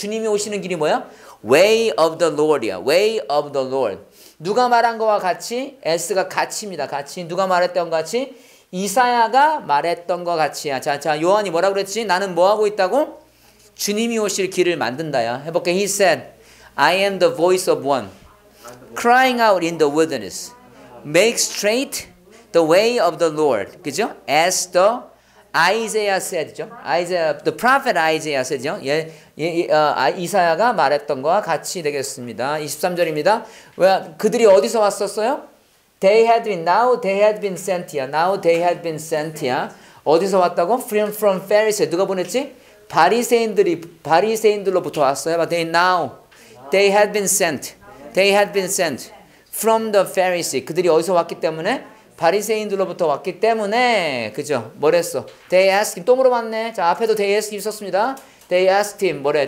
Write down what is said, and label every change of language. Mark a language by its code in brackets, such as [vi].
[ko] 주님이 오시는 길이 뭐야? [en] Way of the Lord이야. Way of the Lord. [ko] 누가 말한 거와 같이? S가 같이입니다. 같이. 누가 말했던 것 같이? 이사야가 말했던 것 같이야. 자, 자, 요한이 뭐라 그랬지? 나는 뭐 하고 있다고? 주님이 오실 길을 만든다야. 해볼게. [en] He said, I am the voice of one crying out in the wilderness. Make straight the way of the Lord. [ko] 그죠? [en] As the Isaiah said죠. Isaiah, the prophet Isaiah said죠. [ko] 예, 예, 이사야가 말했던 것과 같이 되겠습니다. 23절입니다. 왜, 그들이 어디서 왔었어요? [en] They had been, now they had been sent here. Now they had been sent here. [ko] 어디서 왔다고? [en] From Pharisees. [ko] 누가 보냈지? 바리새인들이, 바리새인들로부터 왔어요. [en] They now, they had been sent. They had been sent from the Pharisees. [ko] 그들이 어디서 왔기 때문에? 바리새인들로부터 왔기 때문에, 그죠? 뭐랬어? [en] They asked him. [ko] 또 물어봤네. 자, 앞에도 [en] they asked him [ko] 있었습니다. [en] They asked him. [ko] 뭐래?